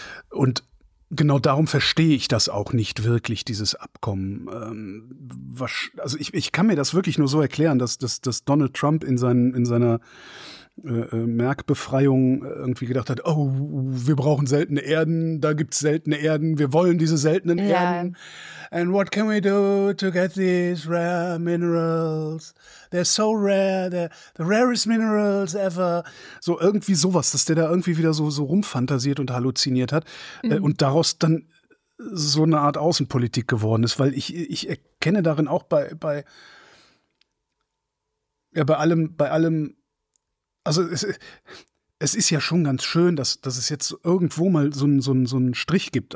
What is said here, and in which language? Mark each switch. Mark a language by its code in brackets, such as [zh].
[de] Und genau darum verstehe ich das auch nicht wirklich, dieses Abkommen. Also ich kann mir das wirklich nur so erklären, dass Donald Trump in seiner Merkbefreiung irgendwie gedacht hat, oh, wir brauchen seltene Erden, da gibt's seltene Erden, wir wollen diese seltenen Erden. [en] And what can we do to get these rare minerals? They're so rare, the rarest minerals ever. [de] So irgendwie sowas, dass der da irgendwie wieder so rumfantasiert und halluziniert hat. Mhm. Und daraus dann so eine Art Außenpolitik geworden ist. Weil ich erkenne darin auch bei allem, also es ist ja schon ganz schön, dass es jetzt irgendwo mal so einen Strich gibt.